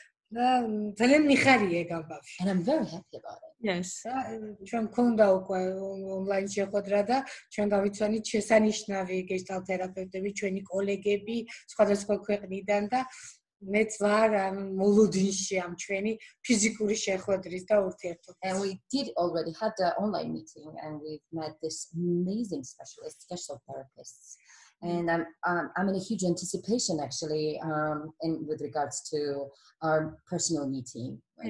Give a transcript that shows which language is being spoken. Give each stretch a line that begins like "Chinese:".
English: And I'm very happy about it. Yes. Чем кунда уко
Georgian: онлайн შეხვედრა და ჩვენ გავიცანით შესანიშნავი გესტალ თერაპევტები, ჩვენი კოლეგები სხვადასხვა ქვეყნიდან და მეც ვარ მოლოდინში ამ ჩვენი ფიზიკური შეხვედრის და ურთიერთობის.
English: And we did already had the online meeting and we've met this amazing specialist, Gestalt therapists. And I'm in a huge anticipation actually in with regards to our personal meeting